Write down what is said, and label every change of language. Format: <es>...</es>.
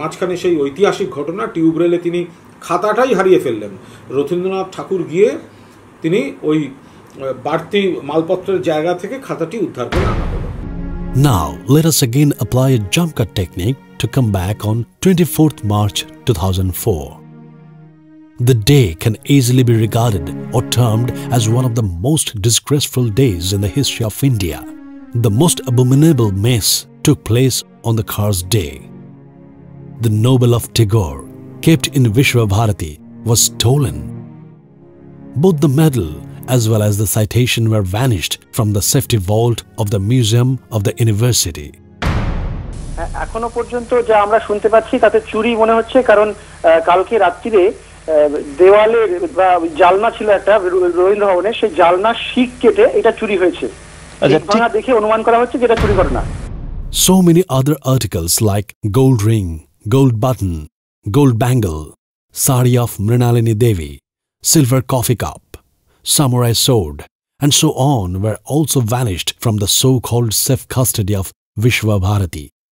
<bn>মাঝখানে সেই ঐতিহাসিক ঘটনা, টিউব রেলে তিনি খাতাটাই হারিয়ে ফেললেন, রবীন্দ্রনাথ ঠাকুর গিয়ে তিনি ওই বাড়তি মালপত্রের জায়গা থেকে খাতাটি উদ্ধার করে আনা হলো।</bn> <en>Now let us again apply a jump cut technique to come back on 24th March 2004। The day can easily be regarded or termed as one of the most disgraceful days in the history of India. The most abominable mess took place on the Khar's day. The Nobel of Tagore, kept in Visva Bharati, was stolen. Both the medal as well as the citation were vanished from the safety vault of the museum of the university.</en> <bn>এখনো পর্যন্ত যা আমরা শুনতে পাচ্ছি তাতে চুরি মনে হচ্ছে, কারণ কালকে রাত্রিতে দেওয়ালে বা জালনা ছিল একটা রবীন্দ্র ভবনে, সেই জালনা শিক কেটে এটা চুরি হয়েছে, ভাঙা দেখে অনুমান করা হচ্ছে যে এটা চুরি ঘটনা।</bn> <en>So many other articles like gold ring, gold button, gold bangle, sari of Mrinalini Devi, silver coffee cup, samurai sword and so on were also vanished from the so-called safe custody of Visva Bharati.</en>